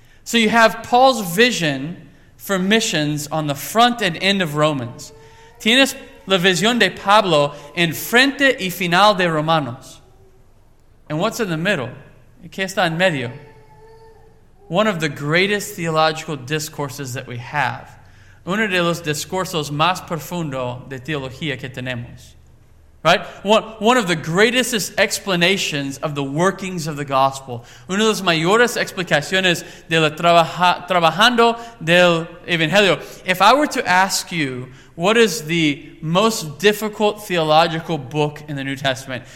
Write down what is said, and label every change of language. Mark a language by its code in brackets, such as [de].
[en] So you have Paul's vision for missions on the front and end of Romans. [es] Tienes la visión de Pablo en frente y final de Romanos. [en] And what's in the middle? [es] ¿Qué está en medio? [en] One of the greatest theological discourses that we have. [es] Uno de los discursos más profundo de teología que tenemos. [en] Right? One of the greatest explanations of the workings of the gospel. [es] Una de las mayores explicaciones de la trabajando del evangelio. [en] If I were to ask you, what is the most difficult theological book in the New Testament?